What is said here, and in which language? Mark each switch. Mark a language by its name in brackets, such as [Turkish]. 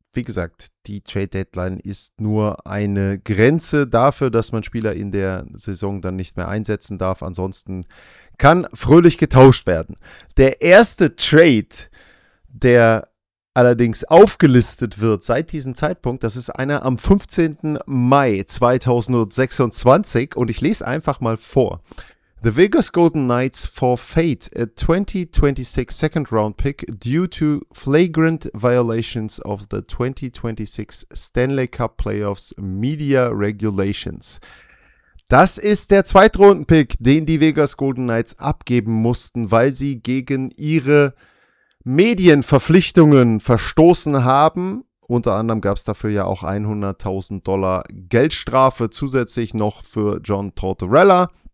[German] Wie gesagt, die Trade Deadline ist nur eine Grenze dafür, dass man Spieler in der Saison dann nicht mehr einsetzen darf. Ansonsten kann fröhlich getauscht werden. Der erste Trade, der allerdings aufgelistet wird seit diesem Zeitpunkt, das ist einer am 15. Mai 2026 und ich lese einfach mal vor. [English] The Vegas Golden Knights forfeit a 2026 second round pick due to flagrant violations of the 2026 Stanley Cup Playoffs Media Regulations. [German] Das ist der Zweitrunden-Pick, den die Vegas Golden Knights abgeben mussten, weil sie gegen ihre Medienverpflichtungen verstoßen haben. Unter anderem gab es dafür ja auch $100.000 Geldstrafe zusätzlich noch für John Tortorella.